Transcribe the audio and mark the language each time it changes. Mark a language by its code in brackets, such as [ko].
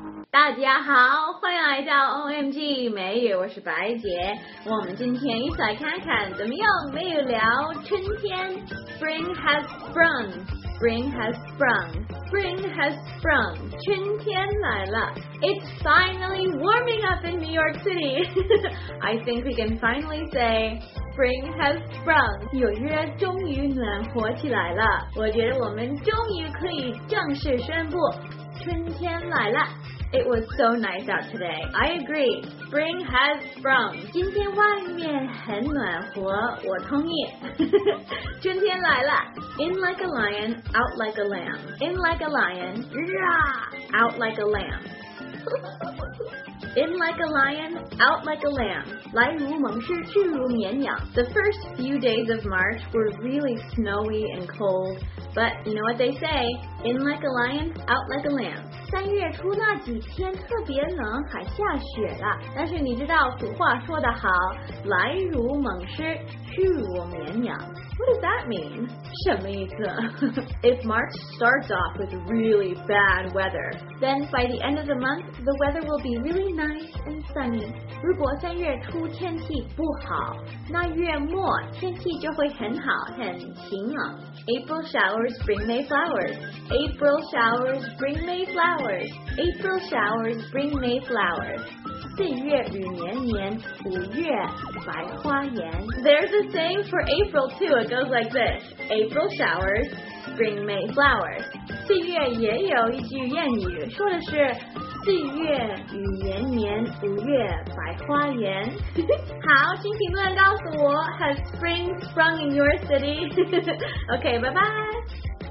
[zh] 大家好，欢迎来到 OMG 美语，我是白姐。我们今天一起来看看怎么用美语聊春天。 [en] Spring has sprung, spring has sprung, spring has sprung, [zh] 春天来了。 [en] It's finally warming up in New York City. I think we can finally say... Spring has sprung. [zh] 纽约终于暖和起来了。我觉得我们终于可以正式宣布春天来了。 [en] It was so nice out today. I agree. Spring has sprung. [zh] 今天外面很暖和，我同意。春天来了。 [en] In like a lion, out like a lamb. In like a lion, rah! Out like a lamb. In like a lion, out like a lamb. [zh] 来如猛狮，去如绵羊。 [en] The first few days of March were really snowy and cold, but you know what they say, in like a lion, out like a lamb. [zh] 三月初那几天特别冷，还下雪了。但是你知道俗话说得好，来如猛狮，去如绵羊。 [en] What does that mean? [zh] 什么意思? [en] If March starts off with really bad weather, then by the end of the month, the weather will be really nice and sunny. [zh] 如果三月初天气不好,那月末天气就会很好,很晴朗。 [en] April showers bring May flowers. April showers bring May flowers. April showers bring May flowers. [zh] 四月雨绵绵，五月白花颜。 [en] There's a saying for April too. It goes like this: April showers, spring May flowers. [zh] 四月也有一句谚语，说的是四月雨绵绵，五月白花颜。好，请评论告诉我 [en] ，Has spring sprung in your city? Okay, bye bye.